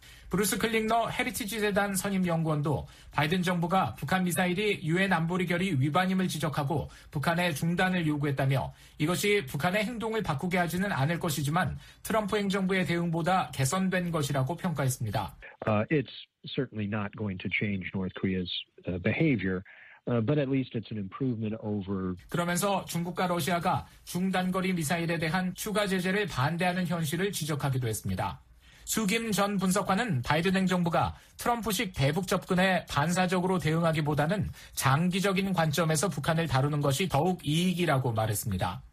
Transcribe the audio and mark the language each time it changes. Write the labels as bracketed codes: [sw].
[ko] 브루스 클링너 헤리티지 재단 선임연구원도 바이든 정부가 북한 미사일이 유엔 안보리 결의 위반임을 지적하고 북한의 중단을 요구했다며 이것이 북한의 행동을 바꾸게 하지는 않을 것이지만 트럼프 행정부의 대응보다 개선된 것이라고 평가했습니다. [en] It's certainly not going to change North Korea's behavior. But at least it's an improvement over. [ko] 그러면서 중국과 러시아가 중단거리 미사일에 대한 추가 제재를 반대하는 현실을 지적하기도 했습니다. 수김 전 분석관은 바이든 행정부가 트럼프식 대북 접근에 반사적으로 대응하기보다는 장기적인 관점에서 북한을 다루는 것이 더욱 이익이라고 말했습니다.